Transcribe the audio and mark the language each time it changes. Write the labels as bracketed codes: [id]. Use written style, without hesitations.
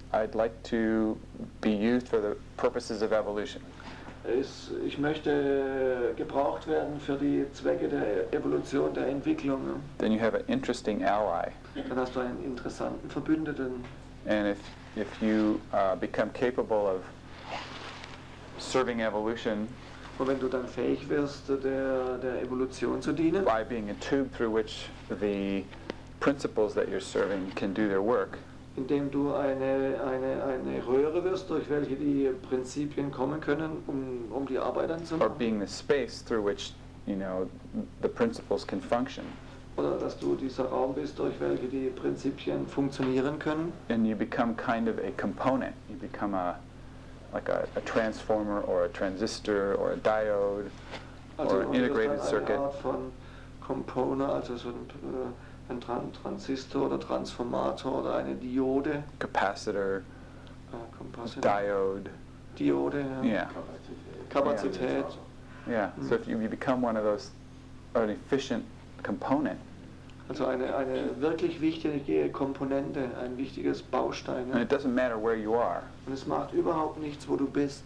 [en] I'd like to be used for the purposes of evolution. [de] Ich möchte gebraucht werden für die Zwecke der Evolution, der Entwicklung. [en] Then you have an interesting ally. [de] Dann hast du einen interessanten Verbündeten. [en] And if you become capable of serving evolution, [de] und wenn du dann fähig wirst, der Evolution zu dienen, [en] by being a tube through which the principles that you're serving can do their work, [de] indem du eine Röhre wirst, durch welche die Prinzipien kommen können, um die Arbeit anzumachen. [en] Or being the space through which, you know, the principles can function. [de] Oder dass du dieser Raum bist, durch welche die Prinzipien funktionieren können. [en] And you become kind of a component. You become a transformer or a transistor or a diode or an integrated circuit. [de] Also eine Art von Component, also so ein Transistor oder Transformator oder eine Diode. [en] Capacitor. Capacitor. Diode. Diode. Yeah. [de] Kapazität. [en] Yeah. So if you become one of those, an efficient component. [de] Also eine wirklich wichtige Komponente, ein wichtiges Baustein. [en] And it doesn't matter where you are. [de] Und es macht überhaupt nichts, wo du bist.